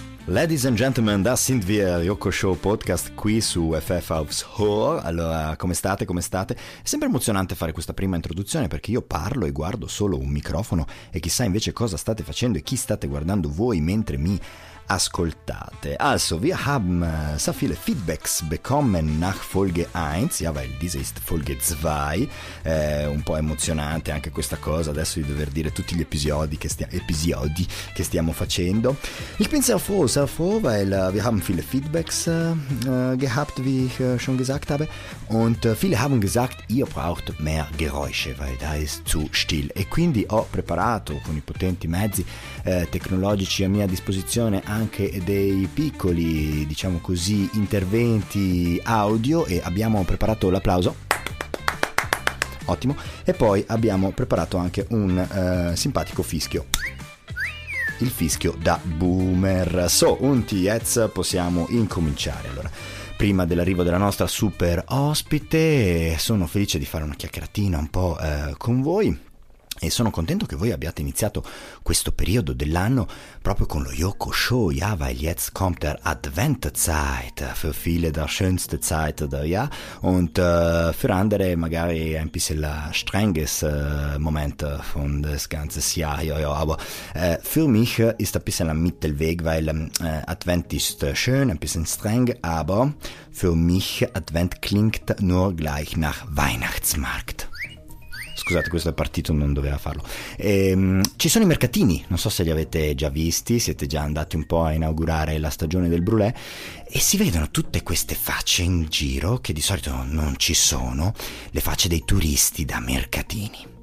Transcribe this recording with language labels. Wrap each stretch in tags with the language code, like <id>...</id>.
<en>Ladies and gentlemen, da Sint Vier, Yoko Show Podcast qui su FF Aufs Hoor.</en> <it>Allora, come state? Come state? È sempre emozionante fare questa prima introduzione perché io parlo e guardo solo un microfono e chissà invece cosa state facendo e chi state guardando voi mentre mi ascoltate.</it> <de>Also, wir haben so viele Feedbacks bekommen nach Folge 1, ja, weil diese ist Folge 2.</de> <it>È un po' emozionante anche questa cosa adesso di dover dire tutti gli episodi che stiamo facendo.</it> <de>Ich bin sehr froh, weil wir haben viele Feedbacks gehabt, wie ich schon gesagt habe, und viele haben gesagt, ihr braucht mehr Geräusche, weil da ist zu still.</de> <it>E quindi ho preparato con i potenti mezzi tecnologici a mia disposizione anche dei piccoli, diciamo così, interventi audio, e abbiamo preparato l'applauso. Ottimo. E poi abbiamo preparato anche un simpatico fischio. Il fischio da boomer.</it> <de>So, und jetzt</de> <it>possiamo incominciare. Allora, prima dell'arrivo della nostra super ospite, sono felice di fare una chiacchieratina un po' con voi. E sono contento che voi abbiate iniziato questo periodo dell'anno proprio con lo Yoko Show.</it> <de>Ja, weil jetzt kommt der Adventzeit, für viele der schönste Zeit der Jahr, und für andere magari ein bisschen strenges Moment von des ganzes Jahr. Ja, aber für mich ist ein bisschen ein Mittelweg, weil Advent ist schön, ein bisschen streng, aber für mich Advent klingt nur gleich nach Weihnachtsmarkt.</de> <it>Scusate, questo è partito, non doveva farlo. Ci sono i mercatini, non so se li avete già visti, siete già andati un po' a inaugurare la stagione del brulè, e si vedono tutte queste facce in giro che di solito non ci sono, le facce dei turisti da mercatini.</it>